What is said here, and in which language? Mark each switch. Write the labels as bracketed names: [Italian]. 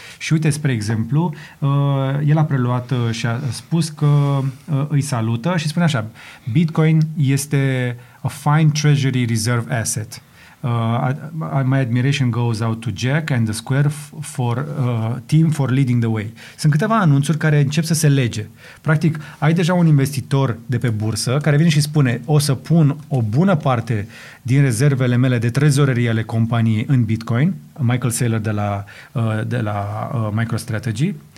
[Romanian] Și uite, spre exemplu, el a preluat și a spus că îi salută și spune așa: Bitcoin este [English] a fine treasury reserve asset. My admiration goes out to Jack and the Square team for leading the way. [Romanian] Sunt câteva anunțuri care încep să se lege. Practic, ai deja un investitor de pe bursă care vine și spune: o să pun o bună parte din rezervele mele de trezorerie ale companiei în Bitcoin, Michael Saylor de la, MicroStrategy.